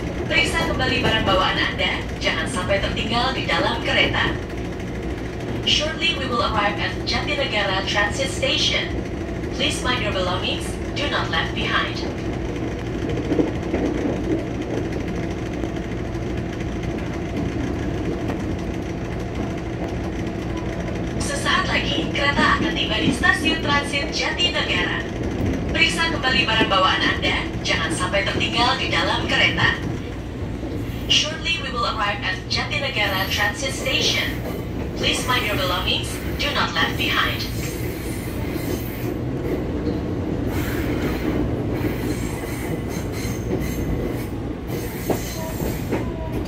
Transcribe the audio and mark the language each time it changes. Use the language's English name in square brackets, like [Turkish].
[Indonesian] Periksa kembali barang bawaan Anda, jangan sampai tertinggal di dalam kereta. [English] Shortly we will arrive at Jatinegara Transit Station. Please mind your belongings, do not left behind. [Indonesian] Sesaat lagi, kereta akan tiba di stasiun transit Jatinegara. Periksa kembali barang bawaan Anda, jangan sampai tertinggal di dalam kereta. [English] Shortly we will arrive at Jatinegara Transit Station. Please mind your belongings, do not left behind. Thank you.